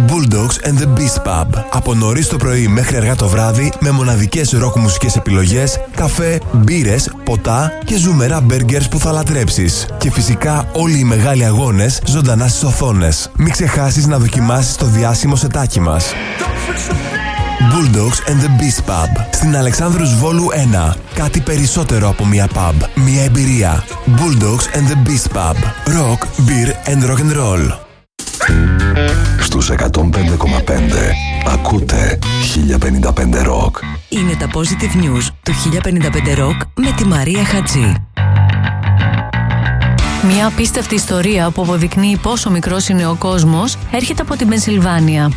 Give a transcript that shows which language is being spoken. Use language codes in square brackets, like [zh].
[en] Bulldogs and the Beast Pub. [el] Από νωρίς το πρωί μέχρι αργά το βράδυ, με μοναδικές ροκ μουσικές επιλογές, καφέ, μπύρες, ποτά και ζουμερά μπέργκερς που θα λατρέψεις. Και φυσικά όλοι οι μεγάλοι αγώνες ζωντανά στις οθόνες. Μην ξεχάσεις να δοκιμάσεις το διάσημο σετάκι μας. Bulldogs and the Beast Pub. Στην Αλεξάνδρους Βόλου 1. Κάτι περισσότερο από μια pub. Μια εμπειρία. Bulldogs and the Beast Pub. [en] Rock, beer and rock and roll. [el] Στους 105,5 ακούτε 1055 Rock. Είναι τα [en] positive news [el] του 1055 Rock με τη Μαρία Χατζή. Μια απίστευτη ιστορία που αποδεικνύει πόσο μικρός είναι ο κόσμος έρχεται από την Πενσιλβάνια.